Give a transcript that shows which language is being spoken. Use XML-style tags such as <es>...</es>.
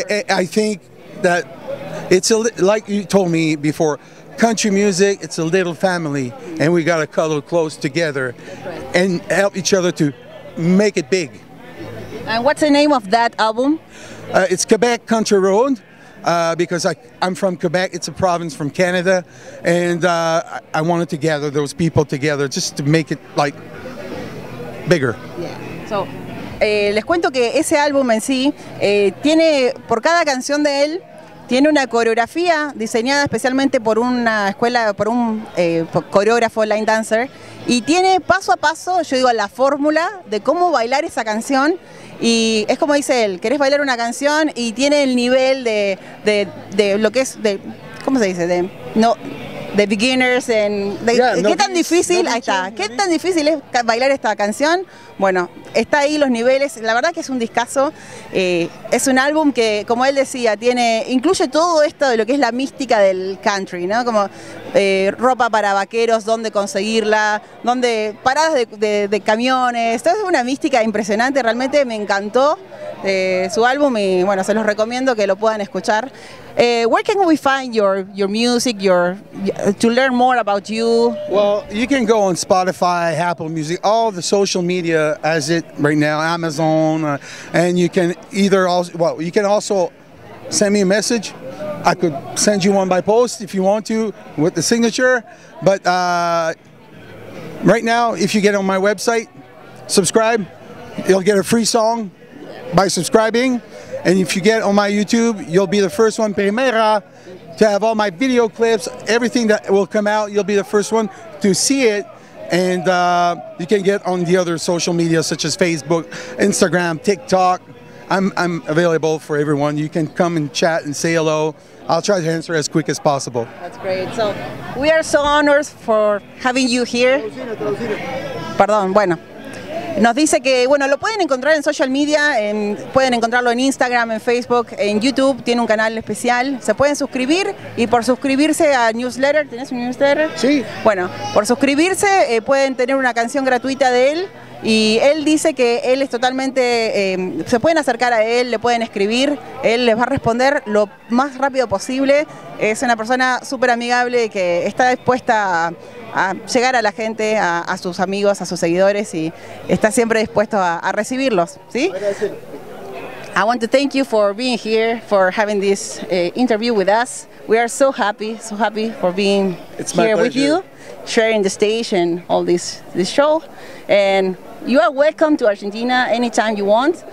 <en>I think that it's a like you told me before, country music, it's a little family, and we got to cuddle close together and help each other to make it big. And what's the name of that album? It's Quebec Country Road. Because I'm from Quebec, it's a province from Canada, and I wanted to gather those people together just to make it like bigger. Yeah.</en> <es>So, les cuento que ese álbum en sí tiene, por cada canción de él, tiene una coreografía diseñada especialmente por una escuela, por un coreógrafo line dancer, y tiene paso a paso, yo digo, la fórmula de cómo bailar esa canción. Y es como dice él, querés bailar una canción y tiene el nivel de lo que es, de, ¿cómo se dice? De, no, de beginners, en, de, yeah, ¿qué no tan difícil? No ahí está, ¿qué tan difícil es bailar esta canción? Bueno, está ahí los niveles, la verdad que es un discazo, es un álbum que, como él decía, tiene, incluye todo esto de lo que es la mística del country, ¿no? Como ropa para vaqueros, dónde conseguirla, dónde, paradas de camiones, todo es una mística impresionante, realmente me encantó su álbum y bueno, se los recomiendo que lo puedan escuchar.</es> <en>Where can we find your music, to learn more about you? Well, you can go on Spotify, Apple Music, all the social media as it right now, Amazon, and you can either also, well, you can also send me a message. I could send you one by post if you want to with the signature, but right now, if you get on my website, subscribe, you'll get a free song by subscribing. And if you get on my YouTube, you'll be the first one, primera, to have all my video clips, everything that will come out, you'll be the first one to see it. And you can get on the other social media, such as Facebook, Instagram, TikTok. I'm available for everyone. You can come and chat and say hello. I'll try to answer as quick as possible. That's great. So we are so honored for having you here.</en> <es>Pardon, bueno. Nos dice que, bueno, lo pueden encontrar en social media, pueden encontrarlo en Instagram, en Facebook, en YouTube, tiene un canal especial. Se pueden suscribir y por suscribirse a newsletter, ¿tienes un newsletter? Sí. Bueno, por suscribirse pueden tener una canción gratuita de él y él dice que él es totalmente, se pueden acercar a él, le pueden escribir, él les va a responder lo más rápido posible. Es una persona súper amigable que está dispuesta a llegar a la gente, a sus amigos, a sus seguidores y está siempre dispuesto a recibirlos, ¿sí?</es> <en>I want to thank you for being here, for having this interview with us. We are so happy for being It's here my pleasure. With you, sharing the stage and all this show. And you are welcome to Argentina anytime you want.</en>